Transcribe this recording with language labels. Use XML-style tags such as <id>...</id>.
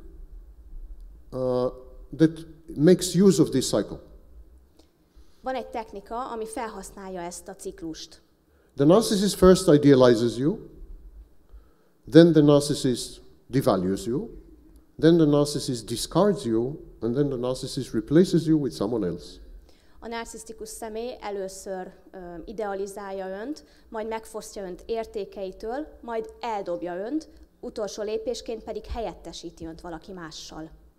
<en>There is a technique that makes use of this cycle.</en> <hu>Van egy technika, ami felhasználja ezt a ciklust.</hu> <en>The narcissist first idealizes you, then the narcissist devalues you. Then the narcissist discards you, and then the narcissist replaces you with someone else.</en> <hu>A narcisztikus személy először idealizálja önt, majd megfosztja önt értékeitől, majd eldobja önt, utolsó lépésként pedig helyettesíti önt valaki mással.</hu>